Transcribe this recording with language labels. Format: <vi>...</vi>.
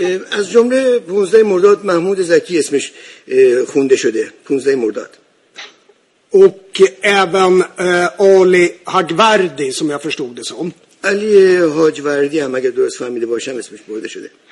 <fa>از جمله 15 مرداد محمود زکی اسمش خونده شده. 15 مرداد.</fa> <sv>Och även Ali Hagvardi som jag förstod det som.</sv> <fa>علی حاج وردی هم اگه درست فهمیده باشم اسمش برده شده.</fa>